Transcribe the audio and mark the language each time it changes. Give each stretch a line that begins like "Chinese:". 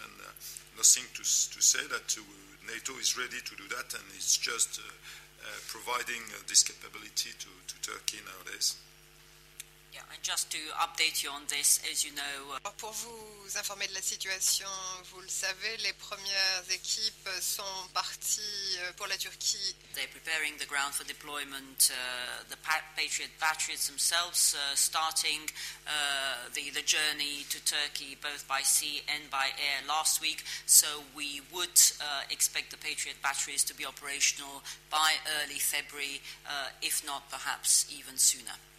English: And nothing to say that NATO is ready to do that, and it's just providing this capability to Turkey nowadays. Yeah, and just to update you on this, as you know.
French: Pour vous informer de la situation, vous le savez, les premières équipes sont parties pour la Turquie.
English: They're preparing the ground for deployment. The Patriot batteries themselves starting the journey to Turkey, both by sea and by air, last week. So we would expect the Patriot batteries to be operational by early February, if not perhaps even sooner.